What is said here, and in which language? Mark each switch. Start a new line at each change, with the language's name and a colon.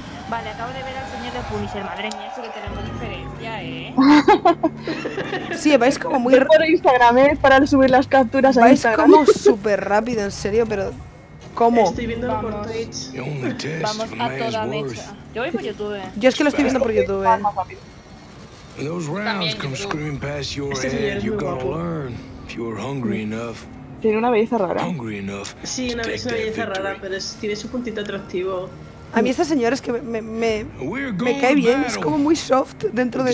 Spanish: Vale, acabo de ver al señor de Punisher. Sí, vais como muy rápido. Por Instagram, para subir las capturas a Instagram. Vais como súper rápido, en serio, pero. ¿Cómo? Estoy viéndolo por Twitch. Vamos a toda mecha. Yo voy por YouTube. Yo es que lo estoy viendo por YouTube.
English: Those rounds come screaming past your head. You gotta learn if you are hungry enough.
Spanish: Tiene una belleza rara. Sí, una belleza rara, pero tiene su puntito atractivo. A mí esta señora es que me cae bien, es como muy soft dentro de